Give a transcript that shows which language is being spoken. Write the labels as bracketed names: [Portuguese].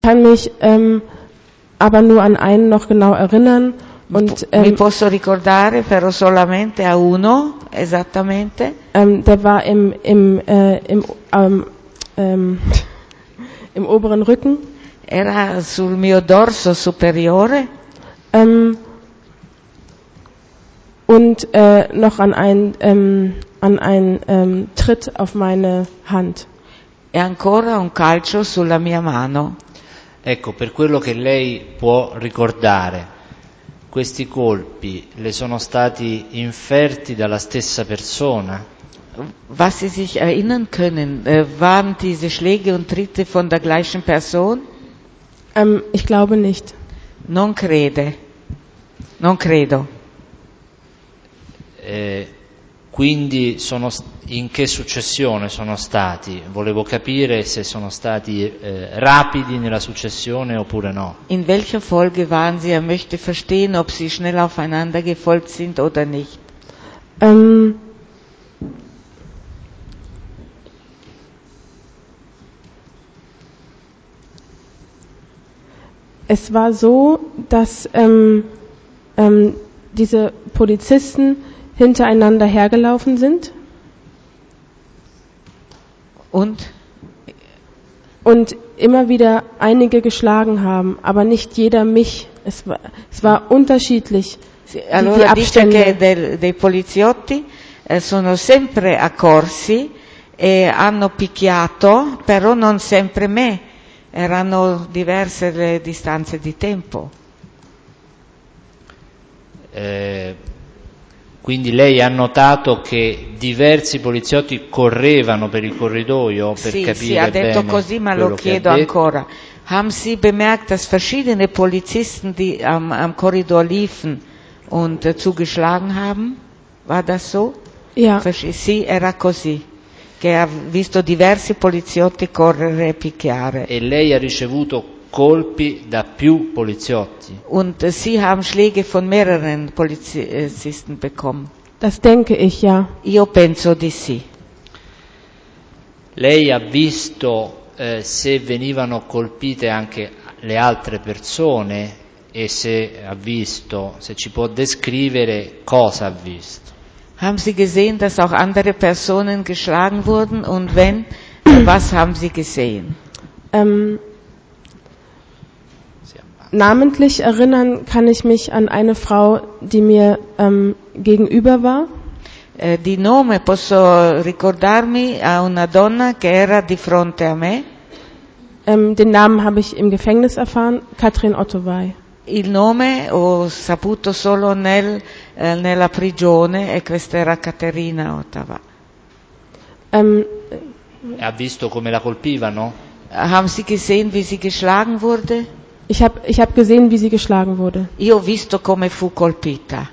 [German] kann mich aber nur an einen noch genau erinnern. Und, [Italian] mi posso ricordare, però solamente a uno, esattamente. [German] Der war im oberen Rücken. [Italian] Era sul mio dorso superiore. [German] Und noch an einen Tritt auf meine Hand. [Italian] E ancora un calcio sulla mia mano. Ecco, per quello che lei può ricordare, questi colpi le sono stati inferti dalla stessa persona? [German] Was Sie sich erinnern können, waren diese Schläge und Tritte von der gleichen Person? Ich glaube nicht. [Italian] Non crede. Non credo. Quindi sono in che successione sono stati? Volevo capire se sono stati rapidi nella successione oppure no. [German] In welcher Folge waren sie? Er möchte verstehen, ob sie schnell aufeinander gefolgt sind oder nicht. Es war so, dass diese Polizisten hintereinander hergelaufen sind. Und immer wieder einige geschlagen haben, aber nicht jeder mich. Es war unterschiedlich. Allora, die Abstände. [Italian] Dice che dei poliziotti sono sempre accorsi e hanno picchiato, però non sempre me. Erano diverse le distanze di tempo. Quindi lei ha notato che diversi poliziotti correvano per il corridoio per sì, capire bene. Sì, ha detto bene così, ma lo chiedo ancora. [German] Haben Sie bemerkt, dass verschiedene Polizisten, die am Korridor liefen und zugeschlagen haben? War das so? Ja. [Italian] Sì, era così. Che ha visto diversi poliziotti correre e picchiare. E lei ha ricevuto colpi da più poliziotti. [German] Und sie haben Schläge von mehreren Polizisten bekommen. Das denke ich ja. [Italian] Io penso di sì. Lei ha visto se venivano colpite anche le altre persone e se ha visto, se ci può descrivere cosa ha visto. [German] Haben Sie gesehen, dass auch andere Personen geschlagen wurden? Und wenn, was haben Sie gesehen? Namentlich erinnern kann ich mich an eine Frau, die mir gegenüber war. [Italian] Di nome posso ricordarmi a una donna che era di fronte a me. [German] Den Namen habe ich im Gefängnis erfahren, Katrin Ottowei. [Italian] Il nome ho saputo solo nella prigione e questa era Caterina Ottava. Ha visto come la colpivano? [German] Haben Sie gesehen, wie sie geschlagen wurde? Ich hab gesehen, wie sie geschlagen wurde. [Italian] Io ho visto come fu colpita.